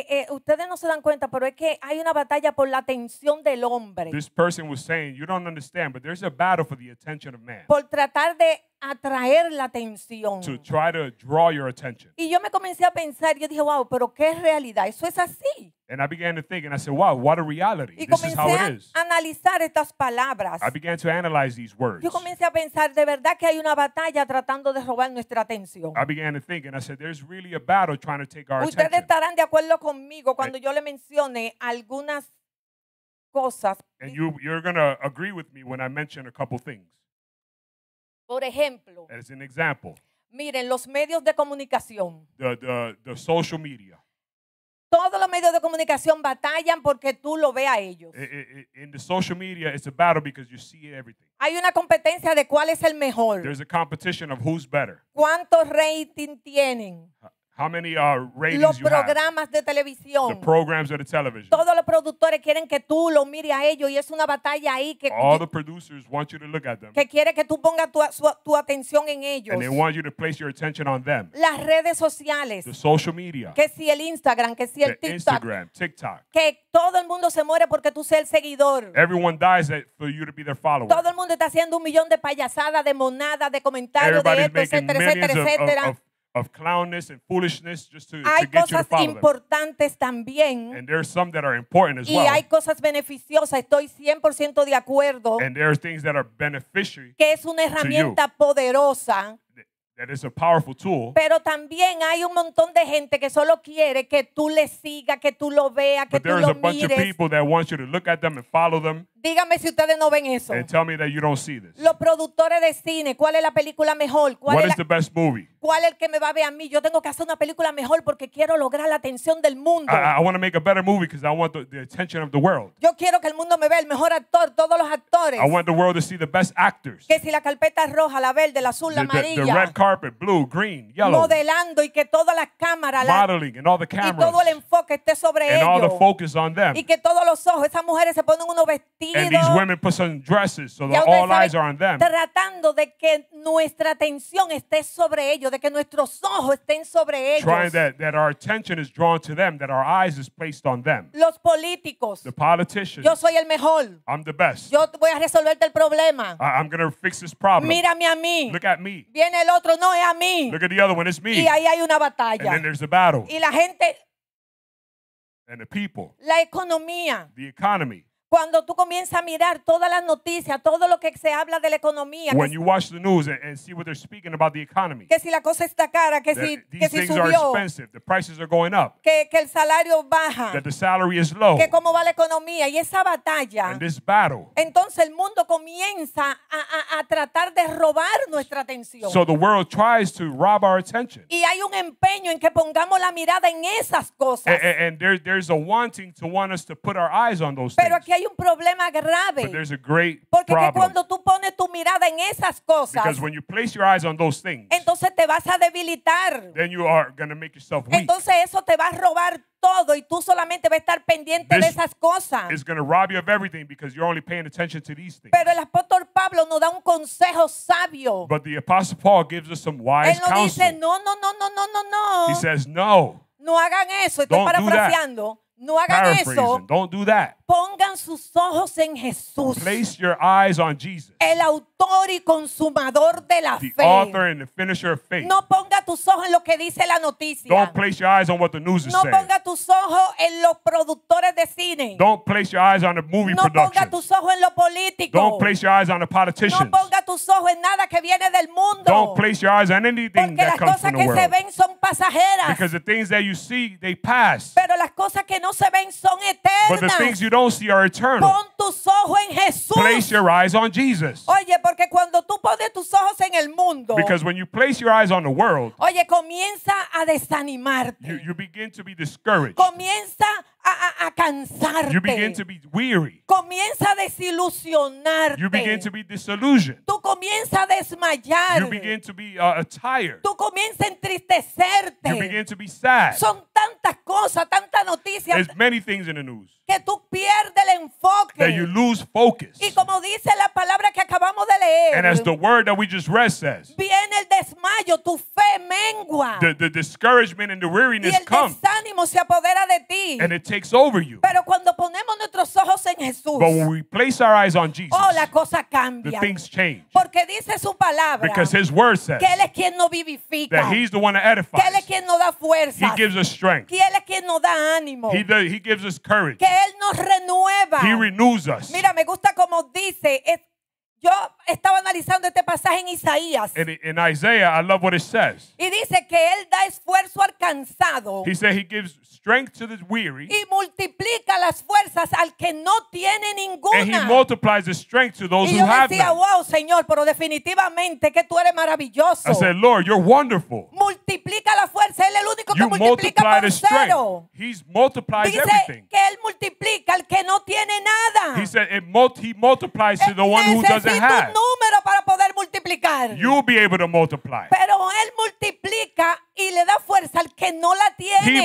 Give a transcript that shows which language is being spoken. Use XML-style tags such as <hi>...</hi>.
<es>Ustedes no se dan cuenta, pero es que hay una batalla por la atención del hombre.</es> <en>This person was saying, you don't understand, but there's a battle for the attention of man.</en> <es>Por tratar de atraer la atención.</es> <en>To try to draw your attention.</en> <es>Y yo me comencé a pensar, yo dije, wow, pero qué realidad, eso es así.</es> <en>And I began to think, and I said, wow, what a reality.</en> <es>Y</es> <en>this is how it is.</en> <es>Analizar estas palabras.</es> <en>I began to analyze these words.</en> <es>Yo comencé a pensar, de verdad que hay una batalla tratando de robar nuestra atención.</es> <en>I began to think, and I said, there's really a battle trying to take our</en> <es>Ustedes</es> <en>attention.</en> <es>Ustedes estarán de acuerdo conmigo cuando yo le mencione algunas cosas.</es> <en>And you're going to agree with me when I mention a couple things.</en> <es>Por ejemplo,</es> <en>as an example,</en> <es>miren, los medios de comunicación.</es> <en>The social media.</en> <es>Todos los medios de comunicación batallan porque tú lo ves a ellos.</es> <en>In the social media, it's a battle because you see everything.</en> <es>Hay una competencia de cuál es el mejor.</es> <en>There's a competition of who's better.</en> <es>¿Cuánto rating tienen?</es> <en>How many ratings</en> <es>Los programas de televisión.</es> <en>The programs of the television.</en> <es>Todos los productores quieren que tú lo mires a ellos y es una batalla ahí que</es> <en>All the producers want you to look at them.</en> <es>Que quiere que tú pongas tu atención en ellos.</es> <en>And they want you to place your attention on them.</en> <es>Las redes sociales.</es> <en>The social media.</en> <es>Que si el Instagram, que si el TikTok.</es> <en>Instagram, TikTok.</en> <es>Que todo el mundo se muere porque tú seas el seguidor.</es> <en>Everyone dies for you to be their follower.</en> <es>Todo el mundo está haciendo un millón de payasadas, de monadas, de comentarios, de esto, etcétera, etcétera.</es> <en>of clownness and foolishness just to,</en> <es>hay</es> <en>to get</en> <es>cosas</es> <en>you to follow</en> <es>importantes</es> <en>them.</en> <es>También.</es> <en>And there are some that are important as</en> <es>y</es> <en>well.</en> <es>Hay cosas beneficiosas. Estoy 100% de acuerdo.</es> <en>And there are things that are beneficial</en> <es>que es una herramienta</es> <en>to you.</en> <es>Poderosa.</es> <en>That is a powerful tool.</en> <es>Pero también hay un montón de gente que solo quiere que tú le sigas, que tú lo veas, que tú lo mires.</es> <en>But there is a bunch of people that want you to look at them and follow them.</en> <es>Dígame si ustedes no ven eso.</es> <en>And tell me that you don't see this.</en> <es>Los productores de cine, ¿cuál es la película mejor? ¿Cuál</es> <en>What</en> <es>es</es> <en>is</en> <es>la...</es> <en>the best movie?</en> <es>¿Cuál es el que me va a ver a mí? Yo tengo que hacer una película mejor porque quiero lograr la atención del mundo.</es> <en>I want to make a better movie because I want the attention of the world.</en> <es>Yo quiero que el mundo me vea el mejor actor, todos los actores.</es> <en>I want the world to see the best actors.</en> <es>Que si la carpeta es roja, la verde, la azul, la amarilla.</es> <en>The red carpet, blue, green, yellow.</en> <es>Modelando y que todas las cámaras.</es> <en>Modeling and all the cameras.</en> <es>Y todo el enfoque esté sobre ellos.</es> <en>And all the focus on them.</en> <es>Y que todos los ojos, esas mujeres se ponen unos vestidos.</es> <en>And these women put some dresses so that all eyes are on them.</en> <es>Tratando de que nuestra atención esté sobre ellos, de que nuestros ojos estén sobre ellos.</es> <en>Trying that our attention is drawn to them, that our eyes is placed on them.</en> <es>Los políticos.</es> <en>The politicians.</en> <es>Yo soy el mejor.</es> <en>I'm the best.</en> <es>Yo voy a resolverte el problema.</es> <en>I'm going to fix this problem.</en> <es>Mírame a mí.</es> <en>Look at me.</en> <es>Viene el otro, no es a mí.</es> <en>Look at the other one, it's me.</en> <es>Y ahí hay una batalla.</es> <en>And then there's a battle.</en> <es>Y la gente.</es> <en>And the people.</en> <es>La economía.</es> <en>The economy.</en> <es>Cuando tú comienzas a mirar todas las noticias, todo lo que se habla de la economía.</es> <en>When you watch the news and see what they're speaking about the economy.</en> <es>Que si la cosa está cara, que si subió.</es> <en>These things are expensive. The prices are going up.</en> <es>Que el salario baja.</es> <en>That the salary is low.</en> <es>Que cómo va la economía y esa batalla.</es> <en>And this battle.</en> <es>Entonces el mundo comienza a tratar de robar nuestra atención.</es> <en>So the world tries to rob our attention.</en> <es>Y hay un empeño en que pongamos la mirada en esas cosas.</es> <en>And there's a wanting to want us to put our eyes on those things.</en> <es>Que hay un problema grave.</es> <en>But there's a great</en> <es>Porque</es> <en>problem.</en> <es>Que cuando tú pones tu mirada en esas cosas.</es> <en>Because when you place your eyes on those things.</en> <es>Entonces te vas a debilitar.</es> <en>Then you are going to make yourself weak.</en> <es>Entonces eso te va a robar todo y tú solamente vas a estar pendiente</es> <en>this</en> <es>de esas cosas.</es> <en>It's going to rob you of everything because you're only paying attention to these things.</en> <es>Pero el apóstol Pablo nos da un consejo sabio.</es> <en>But the apostle Paul gives us some wise counsel.</en> <es>Él nos dice, no.</es> <en>He says, no.</en> <es>No hagan eso. Estoy parafraseando. No hagan eso.</es> <en>Don't do that.</en> <es>Pongan sus ojos en Jesús.</es> <en>Place your eyes on Jesus.</en> <es>El autor y consumador de la</es> <en>the</en> <es>fe.</es> <en>The author and the finisher of faith.</en> <es>No ponga tus ojos en lo que dice la noticia.</es> <en>Don't place your eyes on what the news is</en> <es>no</es> <en>saying.</en> <es>No ponga tus ojos en los productores de cine.</es> <en>Don't place your eyes on the movie</en> <es>no</es> <en>production.</en> <es>No ponga tus ojos en lo político.</es> <en>Don't place your eyes on the politicians.</en> <es>No ponga tus ojos en nada que viene del mundo.</es> <en>Don't place your eyes on anything</en> <es>Porque</es> <en>that comes from the world.</en> <es>Porque las cosas que se ven son pasajeras.</es> <en>Because the things that you see, they pass.</en> <es>Pero las cosas que no se ven son eternas.</es> <en>But the things you don't see are eternal.</en> <es>Pon tus ojos en Jesús.</es> <en>Place your eyes on Jesus.</en> <es>Oye, porque cuando tú pones tus ojos en el mundo,</es> <en>because when you place your eyes on the world,</en> <es>oye, comienza a desanimarte.</es> <en>You begin to be discouraged.</en> <es>Comienza a cansarte.</es> <en>You begin to be weary.</en> <es>Comienza a desilusionarte.</es> <en>You begin to be disillusioned.</en> <es>Tú comienza a desmayar.</es> <en>You begin to be tired.</en> <es>Tú comienza a entristecerte.</es> <en>You begin to be sad.</en> <es>Son tantas cosas, tantas noticias.</es> <en>There's many things in the news.</en> <es>Que tú pierdes el enfoque.</es> <en>That you lose focus.</en> <es>Y como dice la palabra que acabamos de leer.</es> <en>And as the word that we just read says.</en> <es>Viene el desmayo, tu fe mengua.</es> <en>The discouragement and the weariness come.</en> <es>Y el desánimo se apodera de ti.</es> <en>And it takes over you.</en> <es>Pero cuando ponemos nuestros ojos en Jesús,</es> <en>but when we place our eyes on Jesus,</en> <es>oh, la cosa cambia.</es> <en>The things change.</en> <es>Porque dice su palabra,</es> <en>because his word says</en> <es>que él es quien nos vivifica,</es> <en>that he's the one that edifies.</en> <es>Que él es quien nos da fuerzas.</es> <en>He gives us strength.</en> <es>Que él es quien nos da ánimo.</es> <en>He gives us courage.</en> <es>Que él nos renueva.</es> <en>He renews us.</en> <es>Mira, me gusta como dice. Yo estaba analizando este pasaje en Isaías.</es> <en>In Isaiah, I love what it says.</en> <es>Y dice que él da esfuerzo al cansado.</es> <en>He said he gives strength to the weary.</en> <es>Y multiplica las fuerzas al que no tiene ninguna.</es> <en>And he multiplies the strength to those who have none.</en> <es>Y yo decía, wow, Señor, pero definitivamente que tú eres maravilloso.</es> <en>I said, Lord, you're wonderful.</en> <es>Multiplica la fuerza. Él es el único que multiplica por cero.</es> <en>He's multiplied</en> <es>dice</es> <en>everything.</en> <es>Dice que él multiplica al que no tiene nada.</es> <en>He said he multiplies to the one who doesn't have.</en> <es>Número para poder multiplicar.</es> <en>You'll be able to multiply.</en> <es>Pero él multiplica y le da fuerza al que no la tiene.</es>